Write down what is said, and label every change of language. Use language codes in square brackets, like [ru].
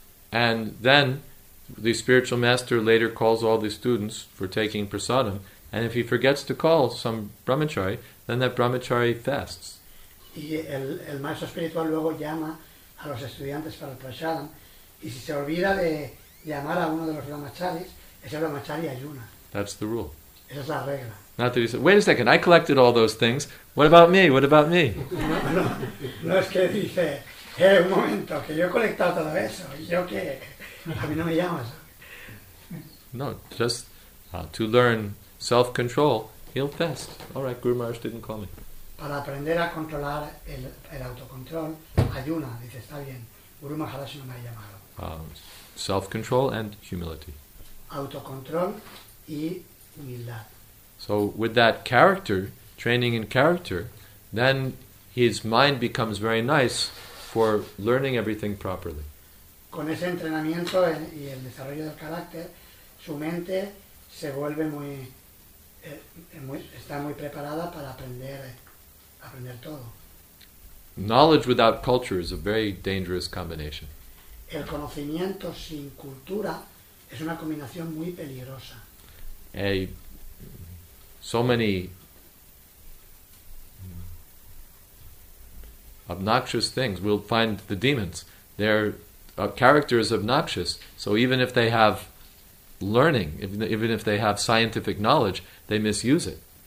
[en] And then the spiritual master later calls all the students for taking prasadam. And if he forgets to call some brahmachari, then that brahmachari fasts. [es] Y el maestro espiritual luego llama a los estudiantes para el prasadam. Y si se olvida de llamar a uno de los brahmacharis, ese brahmachari ayuna. [en] That's the rule. [es] Esa es la regla. [en] Not that he said, wait a second, I collected all those things. What about me? What about me? [es] No es que dice, un momento, que yo he colectado todo eso. ¿Yo qué? A mí no me llamas. [en] No, just to learn self-control, he'll fast. All right, Guru Maharaj didn't call me. [es] Para aprender a controlar el autocontrol, ayuna. Dice, está bien, Guru Maharaj no me ha llamado. [en] Self-control and humility. [es] Autocontrol y humildad. [en] So with that character, training in character, then his mind becomes very nice for learning everything properly. [es] Con ese entrenamiento y el desarrollo del carácter, su mente se vuelve muy... está muy preparada para aprender todo. [en] Knowledge without culture is a very dangerous combination. [es] El conocimiento sin cultura es una combinación muy peligrosa. [en] So many obnoxious things. We'll find the demons. Their character is obnoxious. So even if they have learning, even if they have scientific knowledge, they misuse it.